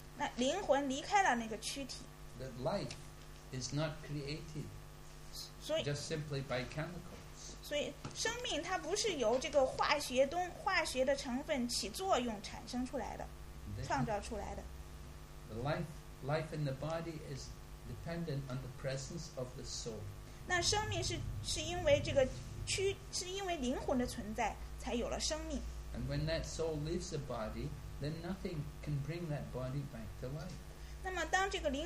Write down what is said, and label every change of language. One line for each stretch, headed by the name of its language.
Chinese: 那灵魂离开了那个躯体。
English: The life is not created just simply by chemicals.
Chinese: 所以生命它不是由这个化学的成分起作用产生出来的，创造出来的。
English: The life in the body is dependent on the presence of the soul.
Chinese: 那生命是因为灵魂的存在才有了生命。
English: And when that soul leaves the body, then nothing can bring that body back to life.